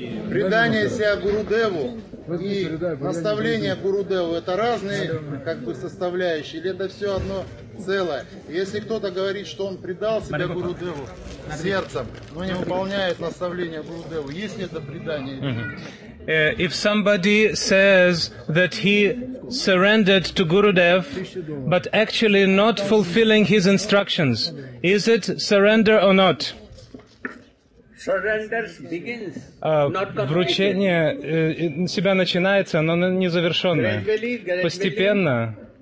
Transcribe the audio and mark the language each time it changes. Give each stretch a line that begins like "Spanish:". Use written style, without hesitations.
Russian: Предание себя Гурудеву и наставление Гурудеву — это разные как бы составляющие, или это все одно целое? Если кто-то говорит, что он предал себя Гурудеву сердцем, но не выполняет наставление Гурудеву, есть ли это предание?
English: If somebody says that he surrendered to Gurudev, but actually not fulfilling his instructions, is it surrender or not? Surrender begins.
Russian: Вручение себя начинается, но не завершенное. Постепенно.